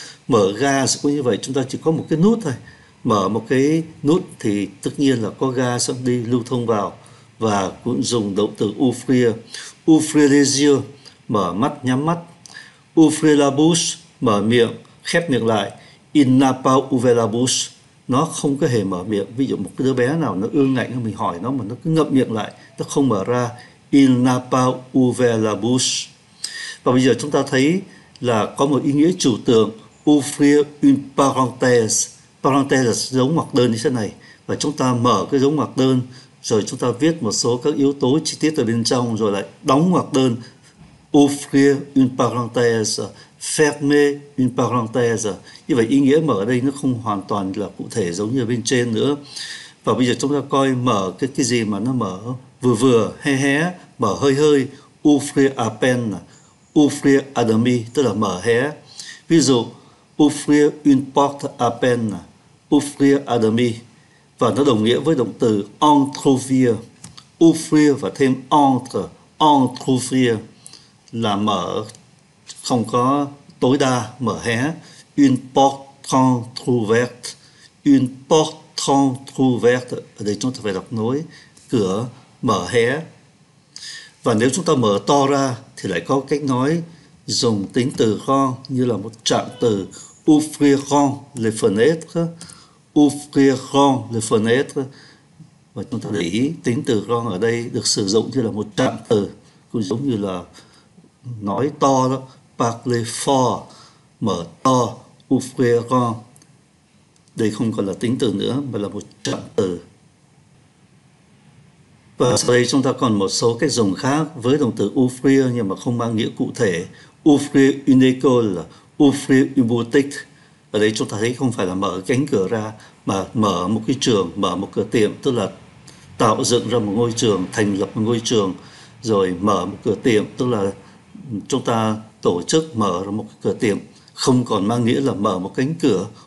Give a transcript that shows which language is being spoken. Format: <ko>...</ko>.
<vi>Mở gaz cũng như vậy, chúng ta chỉ có một cái nút thôi, mở một cái nút thì tất nhiên là có gaz đi lưu thông vào, và cũng dùng động từ ouvrir.</vi> <fr>Ouvrir les yeux,</fr> <vi>mở mắt, nhắm mắt.</vi> <fr>Ouvrir la bouche,</fr> <vi>mở miệng, khép miệng lại.</vi> <fr>Il n'a pas ouvert la bouche,</fr> <vi>nó không có hề mở miệng. Ví dụ một đứa bé nào nó ương ngạnh, mình hỏi nó mà nó cứ ngậm miệng lại, nó không mở ra.</vi> <fr>Il n'a pas ouvert la bouche.</fr> <vi>Và bây giờ chúng ta thấy là có một ý nghĩa trừu tượng:</vi> <fr>ouvrir une parenthèse.</fr> <vi>Parenthèse là dấu ngoặc đơn như thế này, và chúng ta mở cái dấu ngoặc đơn, rồi chúng ta viết một số các yếu tố chi tiết ở bên trong, rồi lại đóng ngoặc đơn.</vi> <fr>Ouvrir une parenthèse, fermer une parenthèse.</fr> <vi>Như vậy ý nghĩa mở ở đây nó không hoàn toàn là cụ thể giống như bên trên nữa. Và bây giờ chúng ta coi mở cái gì mà nó mở vừa vừa, hé hé, mở hơi hơi.</vi> <fr>Ouvrir à peine, ouvrir à demi,</fr> <vi>tức là mở hé. Ví dụ,</vi> <fr>ouvrir une porte à peine, ouvrir à demi.</fr> <vi>Và nó đồng nghĩa với động từ entr'ouvrir. Ouvrir và thêm entre, entr'ouvrir là mở không có tối đa, mở hé.</vi> <fr>Une porte entr'ouverte, une porte</fr> <vi>entr'ouverte, ở đây chúng ta phải đọc nối, cửa mở hé. Và nếu chúng ta mở to ra thì lại có cách nói dùng tính từ grand như là một trạng từ</vi> <fr>ouvrir grand les fenêtres,</fr> <vi>ouvrir grand les fenêtres. Và chúng ta để ý tính từ grand ở đây được sử dụng như là một trạng từ, cũng giống như là nói to đó,</vi> <fr>parler fort,</fr> <vi>mở to,</vi> <fr>ouvrir grand.</fr> <vi>Đây không còn là tính từ nữa mà là một trạng từ. Và sau đây chúng ta còn một số cách dùng khác với động từ ouvrir nhưng mà không mang nghĩa cụ thể.</vi> <fr>Ouvrir une école, ouvrir une boutique.</fr> <vi>Ở đây chúng ta thấy không phải là mở cánh cửa ra mà mở một cái trường, mở một cửa tiệm, tức là tạo dựng ra một ngôi trường, thành lập một ngôi trường, rồi mở một cửa tiệm, tức là chúng ta tổ chức mở ra một cửa tiệm, không còn mang nghĩa là mở một cánh cửa.</vi>